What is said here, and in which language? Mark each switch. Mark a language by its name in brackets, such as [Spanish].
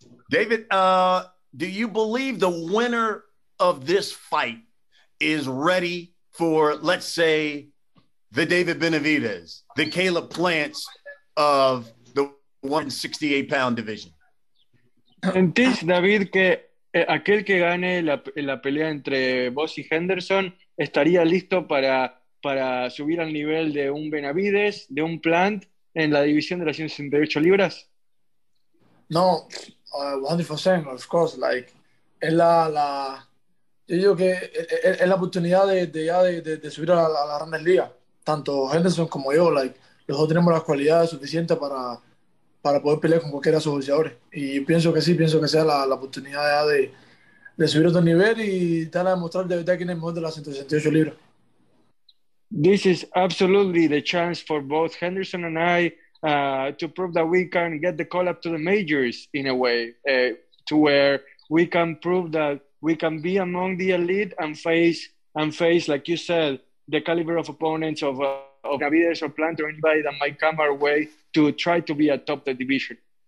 [English] David, do you believe the winner of this fight is ready for, let's say, the David Benavidez, the Caleb Plants of the 168-pound division? [Spanish] Sentís, David, que aquel que gane la pelea entre vos y Henderson estaría listo para subir al nivel de un Benavidez, de un Plant, en la división de las 168 libras? [English] No, 100%, of course. [Spanish] Like, es la yo digo que es la oportunidad de subir a la Grandes Ligas. Tanto Henderson como yo, like, los dos tenemos las cualidades suficientes para poder pelear con cualquiera de esos boxeadores. Y pienso que sí, pienso que sea la oportunidad ya de subir otro nivel y dar a demostrar de verdad quién es mejor de las 168 libras. [English] This is absolutely the chance for both Henderson and I to prove that we can get the call up to the majors in a way, to where we can prove that we can be among the elite and face, like you said, the caliber of opponents of Navides or Plant or anybody that might come our way to try to be atop the division.